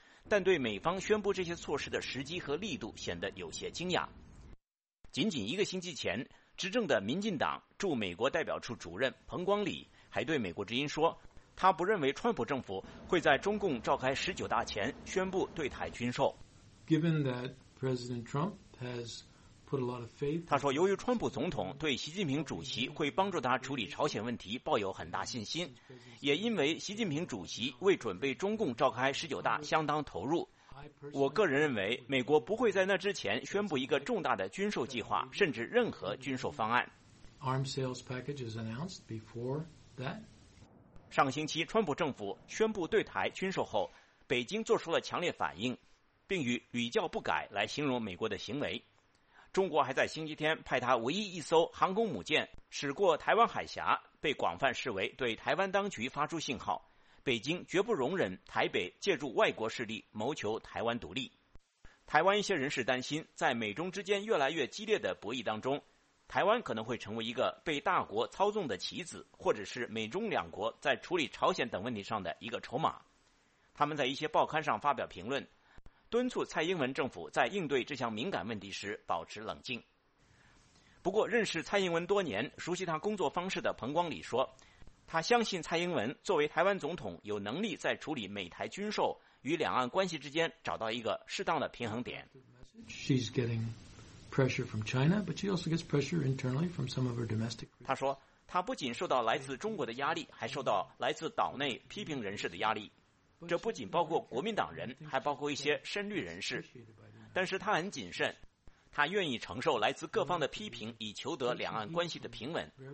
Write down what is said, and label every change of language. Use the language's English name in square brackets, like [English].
[Chinese] 但对美方宣布这些措施的时机和力度显得有些惊讶。仅仅一个星期前，执政的民进党驻美国代表处主任彭光礼还对美国之音说，他不认为川普政府会在中共召开十九大前宣布对台军售。 [English] Given that President Trump has put a lot of faith， [Chinese] 他说，由于川普总统对习近平主席会帮助他处理朝鲜问题抱有很大信心，也因为习近平主席为准备中共召开十九大相当投入，我个人认为美国不会在那之前宣布一个重大的军售计划，甚至任何军售方案。 [English] Arms sales package is announced before that。 [Chinese] 上个星期川普政府宣布对台军售后，北京做出了强烈反应，并与屡教不改来形容美国的行为。中国还在星期天派他唯一一艘航空母舰驶过台湾海峡，被广泛视为对台湾当局发出信号，北京绝不容忍台北借助外国势力谋求台湾独立。台湾一些人士担心，在美中之间越来越激烈的博弈当中，台湾可能会成为一个被大国操纵的棋子，或者是美中两国在处理朝鲜等问题上的一个筹码。他们在一些报刊上发表评论，敦促蔡英文政府在应对这项敏感问题时保持冷静。不过，认识蔡英文多年、熟悉他工作方式的彭光礼说，他相信蔡英文作为台湾总统有能力在处理美台军售与两岸关系之间找到一个适当的平衡点。 [English] She's getting pressure from China, but she also gets pressure internally from some of her domestic. [Chinese] 他说，他不仅受到来自中国的压力，还受到来自岛内批评人士的压力。这不仅包括国民党人，还包括一些深绿人士，但是他很谨慎，他愿意承受来自各方的批评以求得两岸关系的平稳。